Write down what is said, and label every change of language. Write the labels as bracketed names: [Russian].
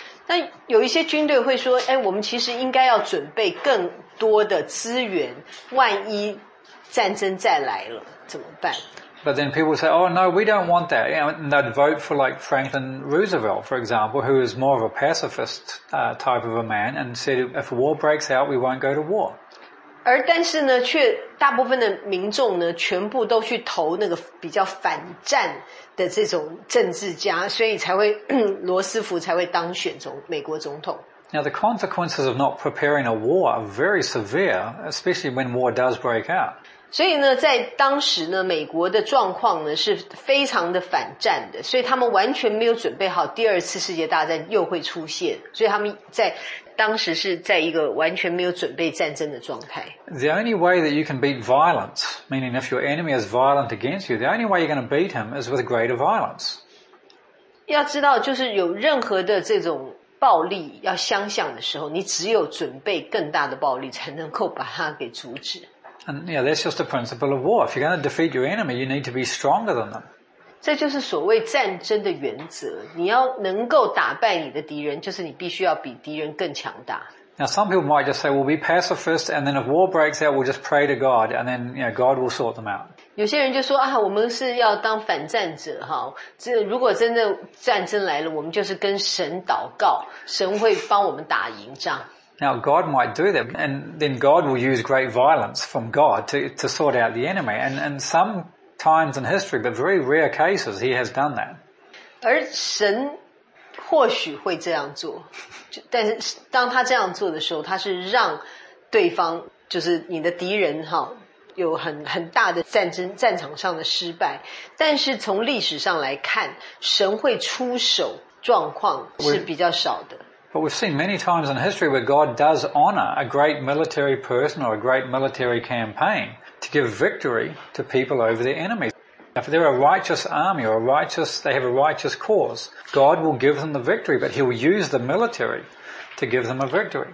[Chinese] 但有一些军队会说、哎、我们其实应该要准备更多的资源，万一战争再来了怎么办？ [English] But then people say, oh no, we don't want that. You know, and they'd vote for like Franklin Roosevelt, for example, who is more of a pacifist, type of a man, and said, if war breaks out, we won't go to war. [Chinese] 而但是呢却大部分的民众呢全部都去投那个比较反战的这种政治家，所以才会罗斯福才会当选美国总统。 [English] Now the consequences of not preparing a war are very severe, especially when war does break out. [Chinese] 所以呢在当时呢美国的状况呢是非常的反战的，所以他们完全没有准备好第二次世界大战又会出现，所以他们在当时是在一个完全没有准备战争的状态。 [English] The only way that you can beat violence, meaning if your enemy is violent against you, the only way you're going to beat him is with greater violence. [Chinese] 要知道就是有任何的这种暴力要相向的时候，你只有准备更大的暴力才能够把它给阻止。 [English] And yeah, that's just the principle of war. If you're going to defeat your enemy, you need to be stronger than them. [Chinese] 这就是所谓战争的原则。你要能够打败你的敌人，就是你必须要比敌人更强大。 [English] Now, some people might just say, "We'll be pacifists, and then if war breaks out, we'll just pray to God, and then you know, God will sort them out." [Chinese] 有些人就说啊，我们是要当反战者哈。这如果真的战争来了，我们就是跟神祷告，神会帮我们打赢仗。 [English] Now God might do that, and then God will use great violence from God to sort out the enemy. And some times in history, but very rare cases, He has done that. [Chinese] 而神或许会这样做，但是当他这样做的时候，他是让对方，就是你的敌人哈，有很大的战场上的失败。但是从历史上来看，神会出手状况是比较少的。 [English] But we've seen many times in history where God does honor a great military person or a great military campaign to give victory to people over their enemies. If they're a righteous army or they have a righteous cause, God will give them the victory, but He'll use the military to give them a victory.